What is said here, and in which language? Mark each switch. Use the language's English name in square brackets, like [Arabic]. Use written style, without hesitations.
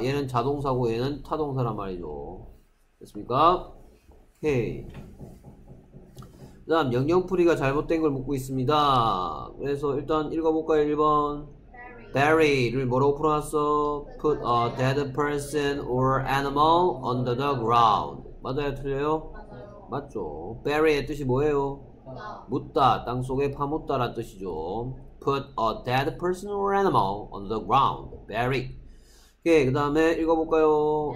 [Korean] 얘는 자동사고 얘는 타동사란 말이죠. 됐습니까? 오케이. 그 다음 영영풀이가 잘못된 걸 묻고 있습니다. 그래서 일단 읽어볼까요? 1번 Bury를 뭐라고 풀어놨어? [English] Put a dead person or animal under the ground. [Korean] 맞아요? 틀려요? 맞아요. 맞죠. Bury의 뜻이 뭐예요? 묻다. 땅속에 파묻다란 뜻이죠. [English] Put a dead person or animal on the ground. Bury. [Korean] 오케이, 그 다음에 읽어볼까요?